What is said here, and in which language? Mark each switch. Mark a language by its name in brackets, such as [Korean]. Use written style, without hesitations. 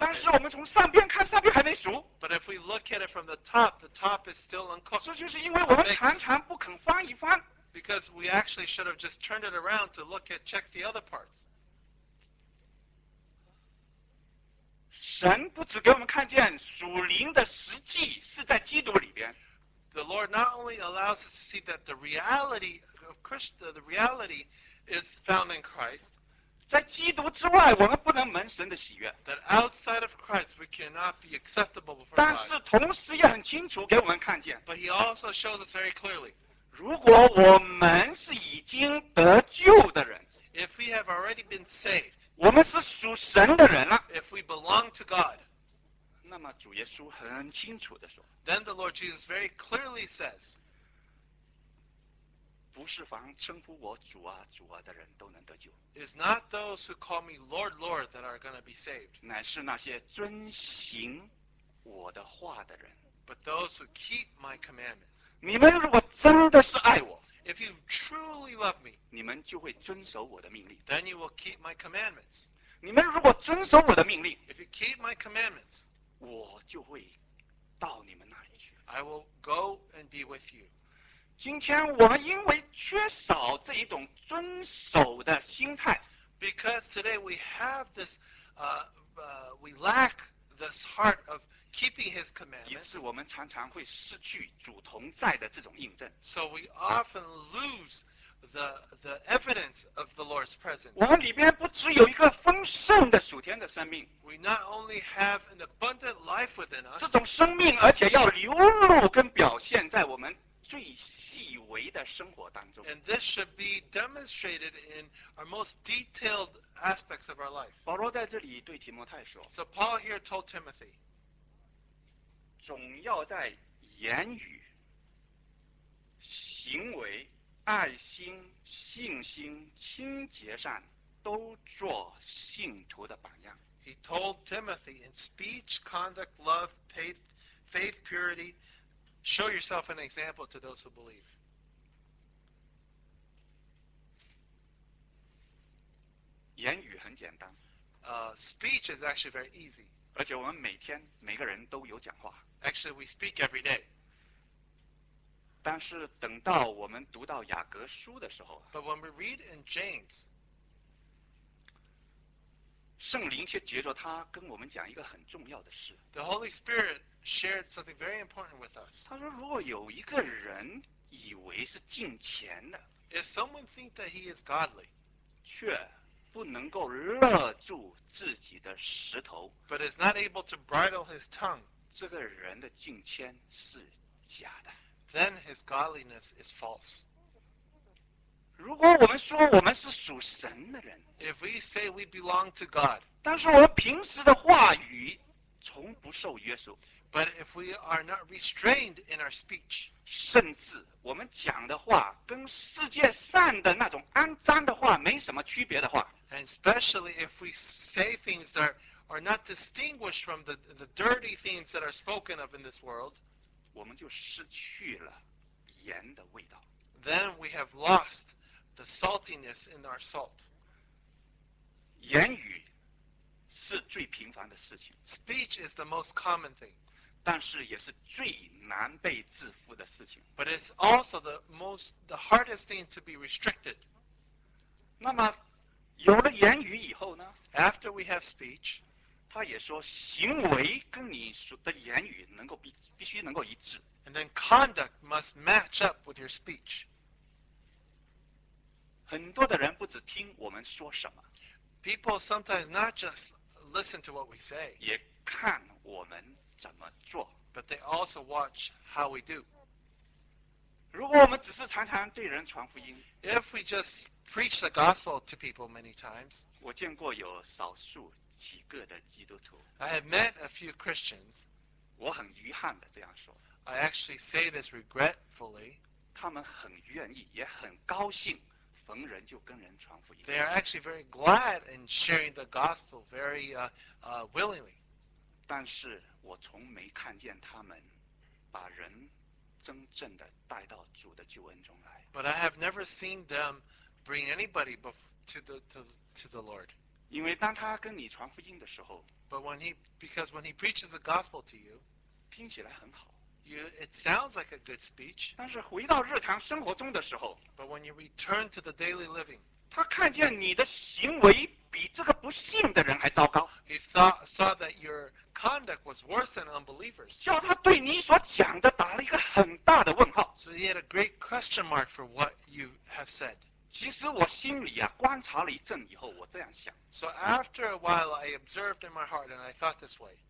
[Chinese] 但是我们从上边看，上边还没熟。 [English] But if we look at it from the top is still uncooked. [Chinese] 这就是因为我们常常不肯翻一翻。 [English] Because we actually should have just turned it around to look at check the other parts. [Chinese] 神不只给我们看见属灵的实际是在基督里边。 [English] The Lord not only allows us to see that the reality of Christ, the reality is found in Christ. [Chinese] 在基督之外，我们不能蒙神的喜悦。 [English] That outside of Christ, we cannot be acceptable before God. [Chinese] 但是同时也很清楚给我们看见。 [English] But He also shows us very clearly. [Chinese] 如果我们是已经得救的人。 [English] If we have already been saved. [Chinese] 我们是属神的人了。 [English] If we belong to God. [Chinese] 那么主耶稣很清楚地说。 [English] Then the Lord Jesus very clearly says. [Chinese] 不是凡称呼我主啊主啊的人都能得救。 [English] It's not those who call me Lord, Lord that are going to be saved. [Chinese] 乃是那些遵行我的话的人。 [English] But those who keep my commandments. [Chinese] 你们如果真的是爱我。 [English] If you truly love me. [Chinese] 你们就会遵守我的命令。 [English] Then you will keep my commandments. [Chinese] 你们如果遵守我的命令。 [English] If you keep my commandments. [Chinese] 我就会到你们那里去。 [English] I will go and be with you. [Chinese] 今天我们因为缺少这一种遵守的心态。 [English] Because today we have this, we lack this heart of keeping his commandments. [Chinese] 以致我们常常会失去主同在的这种印证。 [English] So we often lose the evidence of the Lord's presence. [Chinese] 我们里边不只有一个丰盛的属天的生命。 [English] We not only have an abundant life within us. [Chinese] 这种生命而且要流露跟表现在我们最细微的生活当中。 [English] And this should be demonstrated in our most detailed aspects of our life. [Chinese] 保罗在这里对提摩太说。 [English] So Paul here told Timothy. [Chinese] 总要在言语、行为、爱心、信心、清洁上都做信徒的榜样。 [English] He told Timothy in speech, conduct, love, faith, purity, show yourself an example to those who believe. [Chinese] 言语很简单。 [English] Speech is actually very easy. [Chinese] 而且我们每天每个人都有讲话。 [English] Actually, we speak every day. [Chinese] 但是等到我们读到雅各书的时候， [English] But when we read in James, [Chinese] 圣灵却藉着他跟我们讲一个很重要的事。 [English] The Holy Spirit shared something very important with us. [Chinese] 他说，如果有一个人以为是敬虔的， [English] If someone thinks that he is godly, [Chinese] 却不能够勒住自己的舌头， [English] But is not able to bridle his tongue. [Chinese] 这个人的敬虔是假的。 [English] Then his godliness is false. [Chinese] 如果我们说我们是属神的人， [English] If we say we belong to God, [Chinese] 但是我们平时的话语从不受约束， [English] But if we are not restrained in our speech, [Chinese] 甚至我们讲的话跟世界上的那种肮脏的话没什么区别的话， [English] And especially if we say things that are not distinguished from the dirty things that are spoken of in this world, [Chinese] 我们就失去了盐的味道。 [English] Then we have lost the saltiness in our salt. [Chinese] 言语是最平凡的事情。 [English] Speech is the most common thing. [Chinese] 但是也是最难被制服的事情。 [English] But it's also the hardest thing to be restricted. [Chinese] 那么有了言语以后呢？ [English] After we have speech, [Chinese] 他也说行为跟你的言语能够必须能够一致。 [English] And then conduct must match up with your speech. [Chinese] 很多的人不只听我们说什么。 [English] People sometimes not just listen to what we say, [Chinese] 也看我们怎么做。 [English] But they also watch how we do. [Chinese] 如果我们只是常常对人传福音， [English] If we just preach the gospel to people many times, [Chinese] 我见过有少数几个的基督徒， [English] I have met a few Christians, [Chinese] 我很遗憾地这样说， [English] I actually say this regretfully, [Chinese] 他们很愿意也很高兴逢人就跟人传福音。 [English] They are actually very glad in sharing the gospel very willingly. [Chinese] 但是我从没看见他们把人真正的带到主的救恩中来。 [English] But I have never seen them bring anybody to the Lord. [Chinese] 因为当他跟你传福音的时候， [English] Because when he preaches the gospel to you, [Chinese] 听起来很好。 [English] It sounds like a good speech. [Chinese] 但是回到日常生活中的时候， [English] But when you return to the daily living, [Chinese] 他看见你的行为比这个不信的人还糟糕。 [English] He saw that your conduct was worse than unbelievers. [Chinese] 叫他对你所讲的打了一个很大的问号。 [English] So he had a great question mark for what you have said. [Chinese] 其实我心里啊，观察了一阵以后，我这样想。 [English] So after a while, I observed in my heart and I thought this way.